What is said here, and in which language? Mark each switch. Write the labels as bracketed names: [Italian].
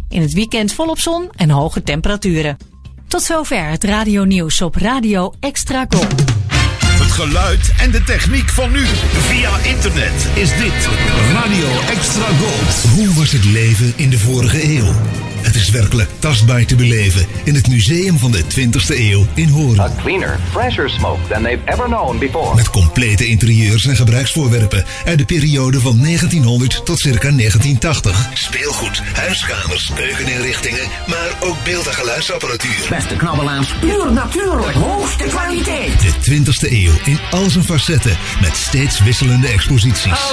[Dutch] In het weekend volop zon en hoge temperaturen. Tot zover het radio nieuws op Radio Extra Gold. Het geluid en de techniek van nu. Via internet is dit Radio Extra Gold. Hoe was het leven in de vorige eeuw? Het is werkelijk tastbaar te beleven in het museum van de 20e eeuw in Hoorn. [English] A cleaner, fresher smoke than they've ever known before. [Dutch] Met complete interieurs en gebruiksvoorwerpen uit de periode van 1900 tot circa 1980. Speelgoed, huiskamers, keukeninrichtingen, maar ook beeld- en geluidsapparatuur. Beste knabbelaars, puur natuurlijk, hoogste kwaliteit. De 20e eeuw in al zijn facetten met steeds wisselende exposities.